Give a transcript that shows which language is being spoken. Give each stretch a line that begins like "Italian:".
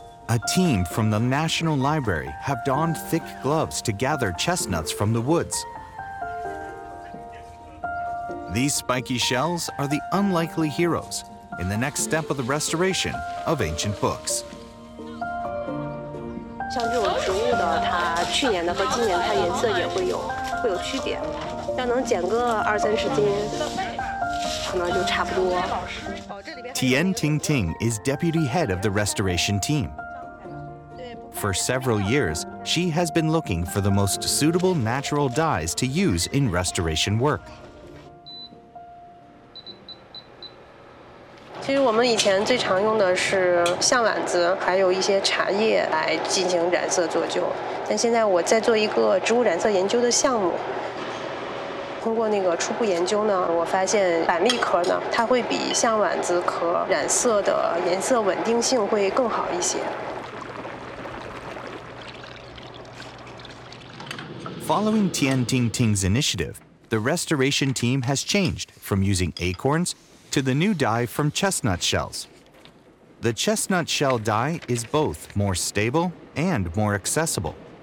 English: A team from the National Library have donned thick gloves to gather chestnuts from the woods. These spiky shells are the unlikely heroes in the next step of the restoration of ancient books.
Chinese: 像这种植物的，它去年的和今年它颜色也会有区别，要能减个二三十斤，可能就差不多。
English: Tian Ting Ting is deputy head of the restoration team. For several years, she has been looking for the most suitable natural dyes to use in restoration work.
Chinese: 其实我们以前最常用的是象碗子，还有一些茶叶来进行染色做旧。但现在我在做一个植物染色研究的项目。通过那个初步研究呢，我发现板栗壳呢，它会比象碗子壳染色的颜色稳定性会更好一些。
English: Following Tian Ting Ting's initiative, the restoration team has changed from using acorns to the new dye from chestnut shells. The chestnut shell dye is both more stable and more accessible.